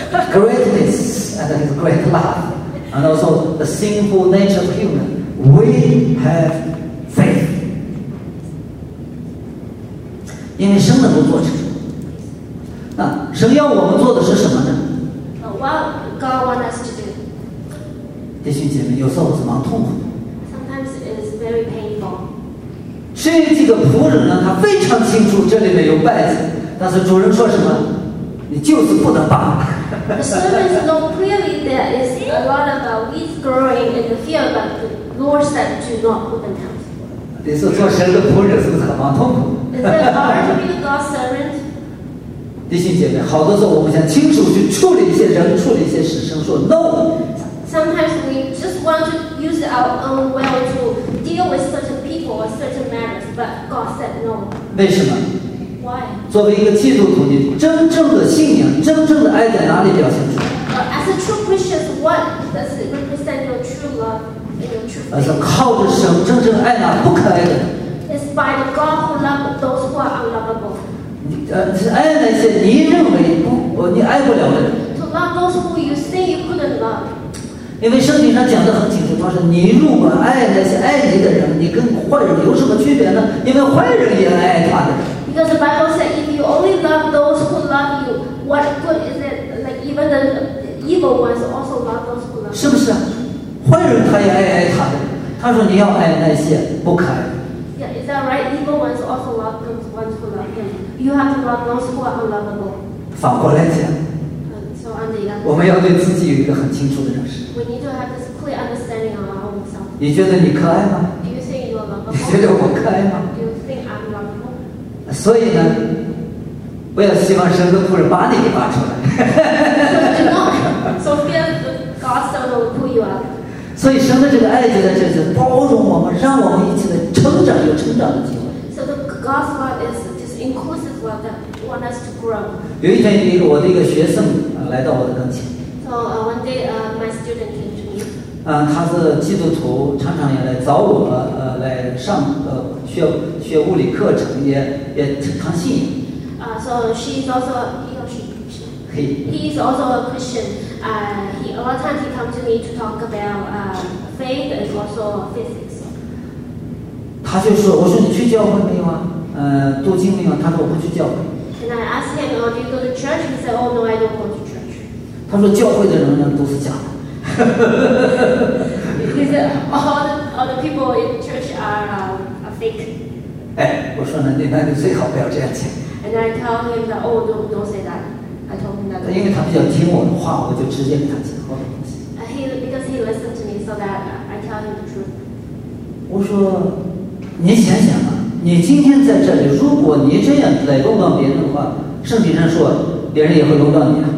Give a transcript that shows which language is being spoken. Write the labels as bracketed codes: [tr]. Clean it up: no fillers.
[en] greatness and His great love, and also the sinful nature of human, we have. [zh] 因为神能够做成，那神要我们做的是什么呢 [en] ？What God want us to do？ [zh] 弟兄姐妹，有时候是蛮痛苦的。 [en] Sometimes it is very painful. [zh] 至于这个仆人呢，他非常清楚这里面有麦子，但是主人说什么，你就是不能拔。 [en] The servants know clearly there is a lot of wheat growing in the field, but the Lord said to not put them out. [zh] 你说做神的仆人是不是很痛苦？弟兄姐妹，好多时候我们想亲手去处理一些人、处理一些事，神说 no。 [en] Sometimes we just want to use our own will to deal with certain people or certain matters, but God said no. [zh] 为什么？ [en] Why? [zh] 作为一个基督徒，你真正的信仰、真正的爱在哪里表现出来？ [en] As a true Christian, what does it represent your true love and your true faith? [zh] 是靠着神真正爱那不可爱的。 [en] It's by the God who loves those who are unlovable. [zh] 是爱那些你认为你爱不了的人。 [en] To love those who you think you couldn't love. [zh] 因为圣经上讲的很清楚，他说你如果爱那些爱你的人，你跟坏人有什么区别呢？因为坏人也爱他的。 [en] Because the Bible says, if you only love those who love you, what good is it? Like even the evil ones also love those who love you. [zh] 是不是？坏人他也爱他的。他说你要爱那些不可爱。 [en] Yeah, is that right? Evil ones also love those ones who love him. You have to love those who are unlovable. [zh] 反过来讲， [en] so on the other, [zh] 我们要对自己有一个很清楚的认识。 [en] We need to have this clear understanding of ourselves. [zh] 你觉得你可爱吗？ [en] Do you think you are lovable? [zh] 你觉得我可爱吗？ [en] Do you think I'm lovable? [zh] 所以呢，我要希望神的仆人把你给挖出来。 [en] So fear God's son will pull you out. [zh] 所以神的这个爱就在这里包容我们，让我们一起来成长，有成长的机会。 [en] So the God's word is. Inclusive one that want us to grow. [zh] 有一天，我的一个学生来到我的跟前。 [en] So one day, my student came to me. [zh] 他是基督徒，常常也来找我来上学物理课程，也常信。 [en] So she is also, you know, she. He is also a Christian. A lot of times he come to me to talk about faith and also physics. [zh] 他就说：“我说你去教会没有啊？” 读经没有？他说我不去教会。 [en] And I asked him, "Oh, do you go to church?" He said, "Oh, no, I don't go to church." [zh] 他说教会的人呢都是假的。 [en] He said, "All the people in church are fake." [zh] 哎，我说呢，那你最好不要这样讲。 [en] And I tell him that, "Oh, don't say that." I told him that. [zh] 因为他比较听我的话，我就直接给他讲。 [en] Because he listened to me, so that I tell him the truth. [zh] 我说，你想想吧。你今天在这里，如果你这样来论断别人的话，圣经上说，别人也会论断你。